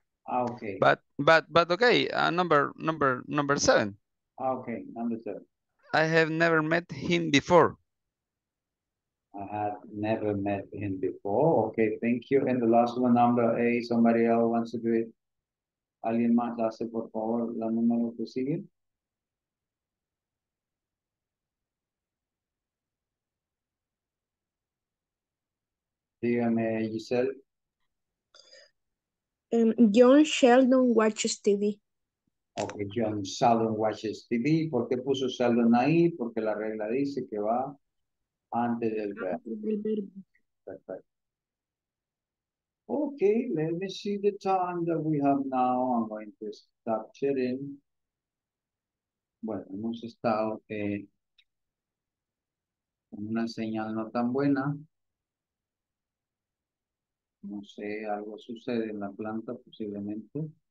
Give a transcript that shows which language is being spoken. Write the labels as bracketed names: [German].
[English] Okay. But okay, number seven. Okay, number seven. I have never met him before. I have never met him before. Okay, thank you. And the last one, number eight, somebody else wants to do it. [Spanish] Alguien más hace, por favor, la número que sigue. Dígame, Giselle. [English] John Sheldon watches TV. Okay, John Sheldon watches TV. [Spanish] ¿Por qué puso Sheldon ahí? Porque la regla dice que va antes del verbo. Perfecto. [English] Okay, let me see the time that we have now. I'm going to stop chatting. [Spanish] Bueno, hemos estado con una señal no tan buena. No sé, algo sucede en la planta posiblemente.